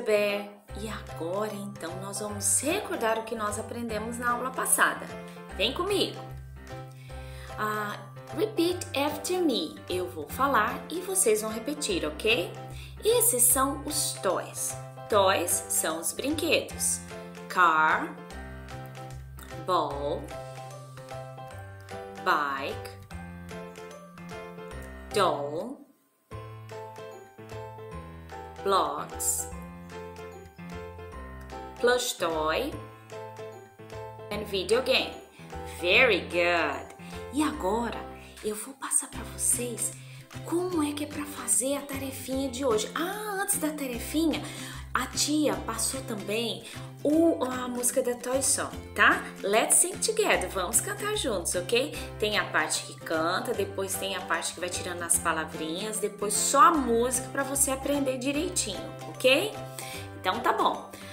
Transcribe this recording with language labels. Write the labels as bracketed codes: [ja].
[pt] Bear, e agora então nós vamos recordar o que nós aprendemos na aula passada. Vem comigo! [en] Repeat after me. [pt] Eu vou falar e vocês vão repetir, ok? Esses são os toys. Toys são os brinquedos. [en] Car, ball, bike, doll, blocks, plush toy, and video game. Very good! [pt] E agora eu vou passar para vocês como é que é para fazer a tarefinha de hoje. Ah, antes da tarefinha, a tia passou também a música da Toy Song, tá? [en] Let's sing together, [pt] vamos cantar juntos, ok? Tem a parte que canta, depois tem a parte que vai tirando as palavrinhas, depois só a música para você aprender direitinho, ok? Então tá bom.